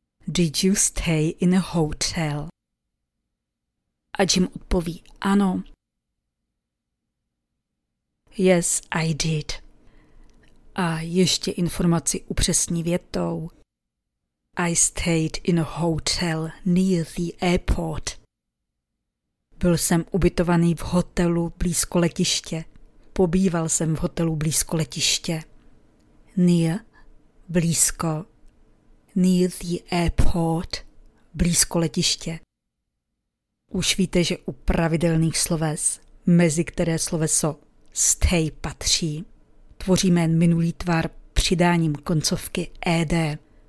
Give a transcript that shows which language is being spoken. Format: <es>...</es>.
<en>Did you stay in a hotel?</en> <cs>A Jim odpoví, ano.</cs> <en>Yes, I did.</en> <cs>A ještě informaci upřesní větou.</cs> <en>I stayed in a hotel near the airport.</en> <cs>Byl jsem ubytovaný v hotelu blízko letiště. Pobýval jsem v hotelu blízko letiště. Near, blízko.</cs> <en>Near the airport,</en> <cs>blízko letiště. Už víte, že u pravidelných sloves, mezi které sloveso stay patří, tvoříme minulý tvar přidáním koncovky ed.</cs>